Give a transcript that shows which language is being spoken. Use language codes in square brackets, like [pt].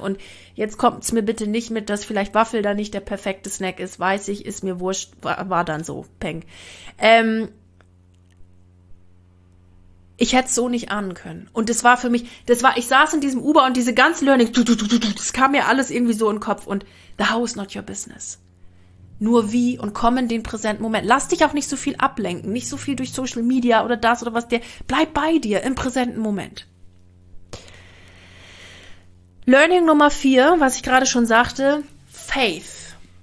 [de] Und jetzt kommt's mir bitte nicht mit, dass vielleicht Waffel da nicht der perfekte Snack ist. Weiß ich, ist mir wurscht, war dann so, peng. Ich hätte es so nicht ahnen können. Und das war für mich, ich saß in diesem Uber und diese ganze Learning, das kam mir alles irgendwie so in den Kopf. [en] Und the how is not your business. [de] Nur wie und komm in den präsenten Moment. Lass dich auch nicht so viel ablenken, nicht so viel durch Social Media oder das oder was. Bleib bei dir im präsenten Moment. Learning Nummer 4, was ich gerade schon sagte, Faith.